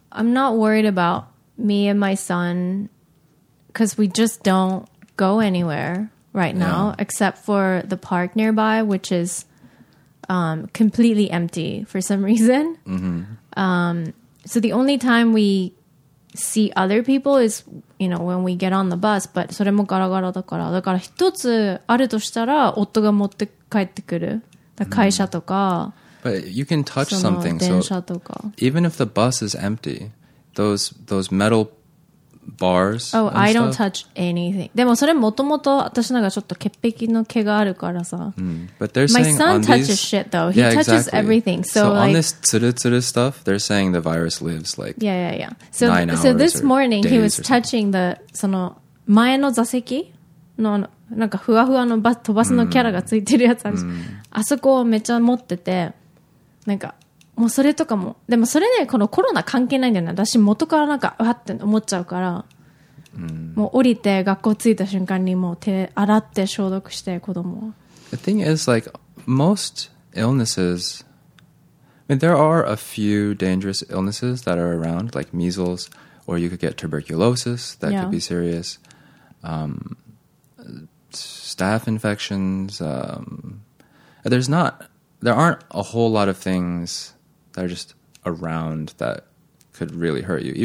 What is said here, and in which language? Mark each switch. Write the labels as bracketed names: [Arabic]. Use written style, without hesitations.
[English] I'm not worried about me and my son because we just don't go anywhere right now except for the park nearby, which is completely empty for some reason. Mm-hmm. So the only time we see other people is, you know, when we get on the bus. But [Japanese] それもガラガラだから。だから一つあるとしたら夫が持って帰ってくる。会社とか。 [English] But you can touch something. So even if the bus is empty, those metal bars. Oh, I don't touch anything. [Japanese] でもそれもともと私なんかちょっと潔癖の毛があるからさ。 [English] But they're saying my son touches shit though. He touches everything. So on this tsurutsuru stuff, they're saying the virus lives like yeah. So this morning he was touching the [Japanese] その前の座席のなんかふわふわの飛ばすのキャラがついてるやつあるし、あそこをめっちゃ持ってて、なんか。もうそれとかもでもそれねこのコロナ関係ないんだよね私元からなんかわって思っちゃうから、もう降りて学校着いた瞬間にもう手洗って消毒して子供は [English] The thing is like most illnesses I mean there are a few dangerous illnesses that are around like measles or you could get tuberculosis that could be serious staph infections there aren't a whole lot of thingsthat are just around that could really hurt you.